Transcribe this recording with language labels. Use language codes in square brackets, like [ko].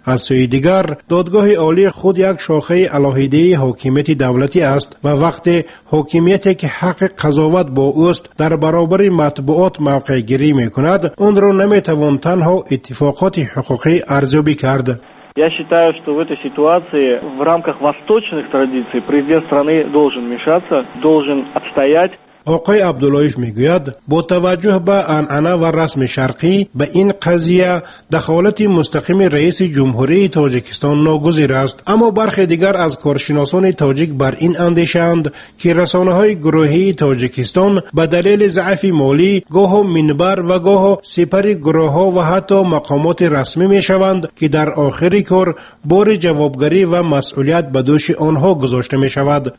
[fa] از سوی دیگر دادگاه عالی خود یک شاخه علاهیده حاکمیت دولتی است و وقتی حاکمیتی که حق قضاوت با اوست در برابر مطبوعات موقع گیری می کند، آن را نمی توان تنها اتفاقات حقوقی ارزیابی کرد. [ru] Я считаю, что в этой ситуации в рамках восточных традиций президент страны должен вмешаться, должен отстоять. [fa] آقای عبداللهیف میگوید با توجه به انعنه و رسم شرقی به این قضیه دخالت مستقیم رئیس جمهوری تاجیکستان ناگزیر است، اما برخی دیگر از کارشناسان تاجیک بر این اندیشند که رسانه های گروهی تاجیکستان به دلیل ضعف مالی گاه منبر و گاه سپر گروه ها و حتی مقامات رسمی میشوند که در آخر کار بار جوابگری و مسئولیت به دوش آنها گذاشته میشود.